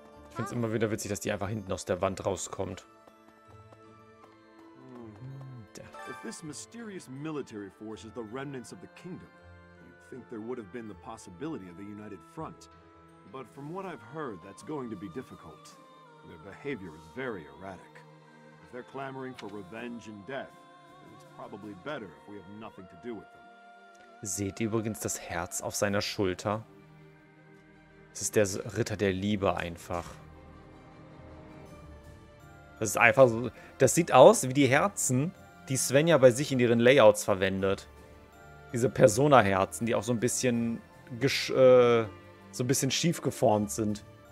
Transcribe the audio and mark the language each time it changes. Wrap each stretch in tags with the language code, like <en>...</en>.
<de>Ich find's immer wieder witzig, dass die einfach hinten aus der Wand rauskommt.</de> <en>If this mysterious military force is the remnants of the kingdom, you'd think there would have been the possibility of a united front. But from what I've heard, that's going to be difficult. Their behavior is very erratic. If they're clamoring for revenge and death, then it's probably better if we have nothing to do with them.</en> <de>Seht ihr übrigens das Herz auf seiner Schulter? Es ist der Ritter der Liebe einfach. Das ist einfach so. Das sieht aus wie die Herzen, die Svenja bei sich in ihren Layouts verwendet. Diese Persona-Herzen, die auch so ein bisschen so ein bisschen schief geformt sind.</de>